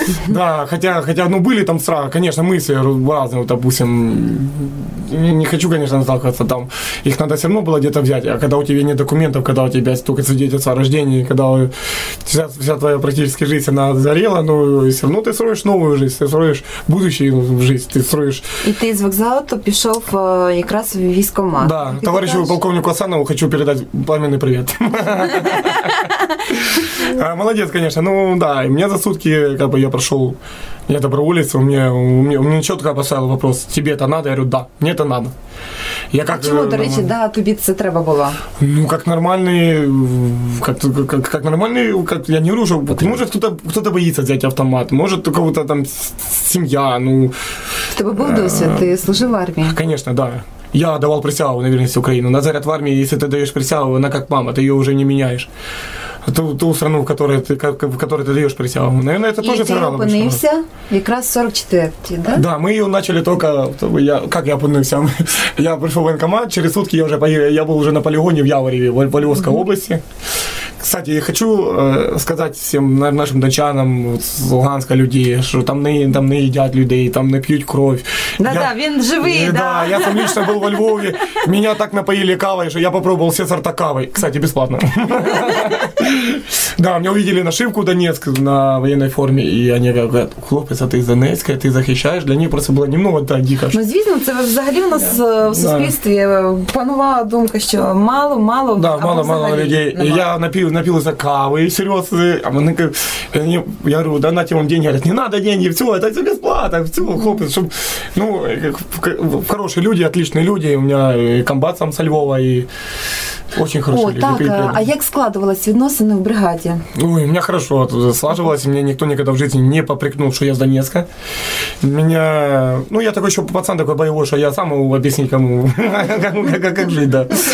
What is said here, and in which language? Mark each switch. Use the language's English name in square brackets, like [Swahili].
[Russian] Да, хотя, ну, были там страхи, конечно, мысли разные, вот, допустим, не хочу, конечно, сталкиваться там. Их надо все равно было где-то взять. А когда у тебя нет документов, когда у тебя только свидетельство о рождении, когда вся твоя практически жизнь, она сгорела, ну, все равно ты строишь новую жизнь, ты строишь будущую жизнь, ты строишь. И ты из вокзала то [Ukrainian] пішов якраз в військомат. [Russian] Да, и товарищу дальше? Полковнику Асанову хочу передать пламенный привет. Молодец, конечно. Ну да, и мне за сутки как бы я прошел, я доброволец, у меня четко поставил вопрос, тебе это надо? Я говорю, да, мне это надо. Я как, почему, [Ukrainian] до речи, да, тобі це треба було? [Russian] Ну, как нормальный, как нормальный, как, я не говорю, что потребует. Может кто-то боится взять автомат, может у кого-то там семья, ну... У тебя был досвід, ты служил в армии? Конечно, да. Я давал присягу на верность Украине. На заряд в армии, если ты даешь присягу, она как мама, ты ее уже не меняешь. Ту страну, в которой ты даешь присягу. Наверное, это и тоже сыграло. [Ukrainian] И ты опинився якраз в 44-й, да? [Russian] Да, мы ее начали только... [Ukrainian] Как я опинився? [Russian] Я пришел в военкомат, через сутки я уже поехал, я был уже на полигоне в Яворіві, в Львовской области. Кстати, я хочу сказать всем нашим дончанам [Ukrainian] з Луганська людей, що там не їдять людей, там не п'ють кров. Да, він живий, да. Я сам лично був у Львові. Мене так напоїли кавою, що я попробував все сорта кави. [Russian] Кстати, бесплатно. Да, мне увидели нашивку Донецк на военной форме, и они говорят, хлопець, а ты из Донецка, ты захищаешь? Для них просто было немного дико. [Ukrainian] Ну, звісно, це взагалі у нас в суспільстві панувала думка, що мало-мало. [Russian] Да, мало-мало людей. [Ukrainian] Я напілися кави, серйозно. А вони, [Russian] я говорю, да на тебе деньги. Говорят, не надо деньги, все, это все бесплатно, все, хлопець. Ну, хорошие люди, отличные люди. У меня и комбат сам со Львова, и очень хорошие люди. [Ukrainian] О, так, а як складывалось відносини в бригаді? Ой, мені хорошо слажувалося, мені ніхто ніколи в житті не поприкнув, що я з Донецька. Ну, я такий, що пацан такий бойовий, що я сам об'ясню, кому, як жити, да.